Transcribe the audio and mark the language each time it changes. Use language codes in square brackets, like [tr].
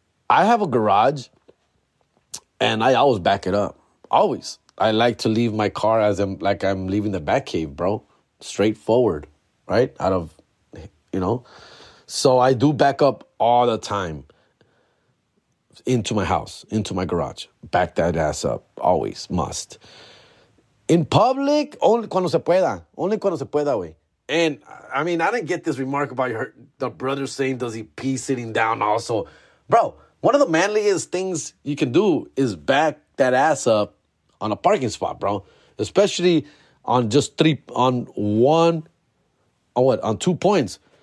[en] I have a garage, and I always back it up. Always. I like to leave my car as I'm, like I'm leaving the Batcave, bro. Straightforward, right? Out of, you know. So I do back up all the time. into my house, into my garage. Back that ass up. Always. Must. [es] In public, only cuando se pueda. Only cuando se pueda, güey. [en] And, I mean, I didn't get this remark about your, the brother saying, does he pee sitting down also? Bro, one of the manliest things you can do is back that ass up on a parking spot, bro. Especially on just three, on one, on what, on 2 points.